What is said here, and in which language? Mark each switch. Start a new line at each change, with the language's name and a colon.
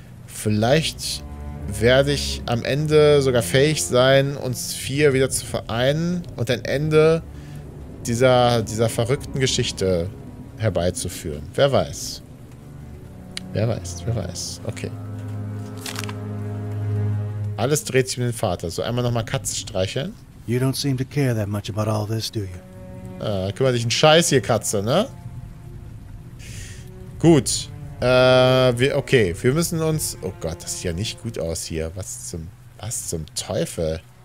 German: Vielleicht werde ich am Ende sogar fähig sein, uns vier wieder zu vereinen und ein Ende dieser verrückten Geschichte herbeizuführen. Wer weiß. Wer weiß, wer weiß. Okay. Alles dreht sich um den Vater. So, einmal nochmal Katze streicheln.
English: You don't seem to care that much about all this, do you?
German: Kümmer dich einen Scheiß hier, Katze, ne? Gut. Wir müssen uns... Oh Gott, das sieht ja nicht gut aus hier. Was zum Teufel?